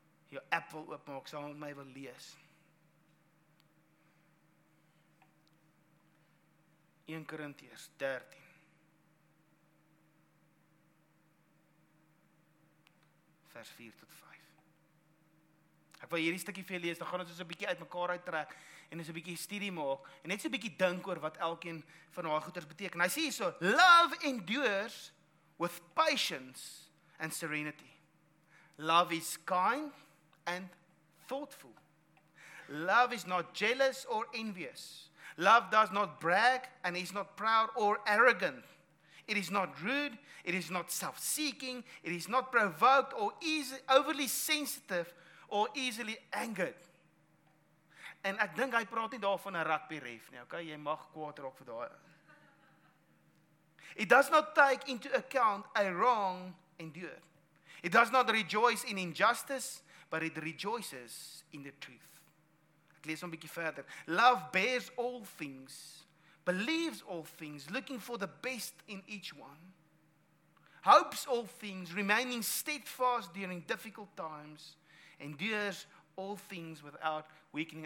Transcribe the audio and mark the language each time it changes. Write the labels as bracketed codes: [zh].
[af] Jou app wil oopmaak, sal met my wil lees. 1 Korintiërs 13 vers 4 tot 5. Ek wil hierdie stukkie vir julle lees, dan gaan ons so 'n bietjie uit mekaar uittrek en ons 'n bietjie studie maak en net so 'n bietjie dink oor wat elkeen van daai goeters beteken. Hy sê hierso: [en] Love endures with patience and serenity. Love is kind and thoughtful. Love is not jealous or envious. Love does not brag and is not proud or arrogant. It is not rude, it is not self-seeking, it is not provoked or overly sensitive or easily angered. [af] En ek dink hy praat nie daarvan 'n rugby ref nie, okay? Jy mag kwaad raak vir daai. [en] It does not take into account a wrong endured. It does not rejoice in injustice, but it rejoices in the truth. [af] Ek lees 'n bietjie verder. [en] Love bears all things, believes all things, looking for the best in each one, hopes all things, remaining steadfast during difficult times, endures all things without weakening.